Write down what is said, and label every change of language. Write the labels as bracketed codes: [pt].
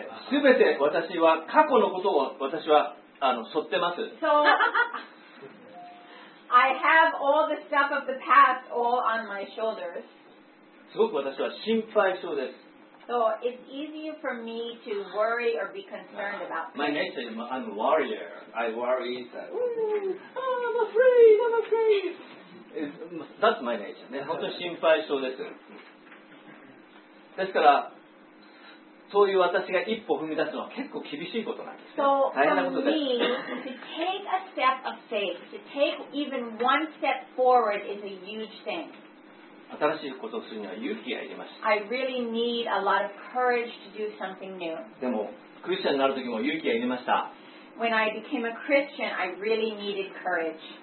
[ja] 全て私は過去のことを私は剃ってます。 [en] So, I have all the stuff of the past all on my shoulders. [ja] すごく私は心配性です。 [en] So it's easier for me to worry or be concerned about my nature. I'm a warrior. I worry that. Oh, I'm afraid. I'm afraid. That's my nature. [ja] ね、本当に心配性です。ですから、そういう私が一歩踏み出すのは結構厳しいことなんです。 [en] So for me, to take a step of faith, to take even one step forward is a huge thing. [ja] 新しいことをするには勇気がいります。 [en] I really need a lot of courage to do something new. [ja] でも、クリスチャンになるときも勇気がいりました。 [en] When I became a Christian, I really needed courage.